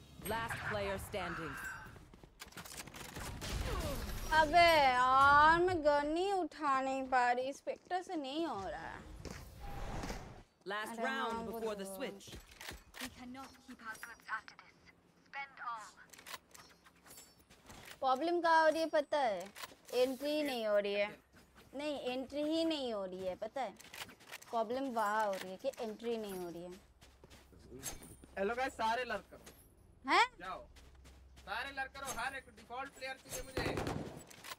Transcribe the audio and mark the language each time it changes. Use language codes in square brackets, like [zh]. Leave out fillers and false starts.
[en] Last player standing. [hi] अबे यार मैं गन नहीं उठा नहीं पा रही स्पेक्टर से नहीं हो रहा [en] Last round before the switch. We cannot keep our goods after this. Spend all. [hi] Problem क्या हो रही है पता है एंट्री नहीं हो रही है नहीं एंट्री ही नहीं हो रही है पता है प्रॉब्लम वहां हो रही है कि एंट्री नहीं हो रही है हेलो गाइस सारे लड़के हैं जाओ सारे लड़के रो हर एक डिफॉल्ट प्लेयर चाहिए मुझे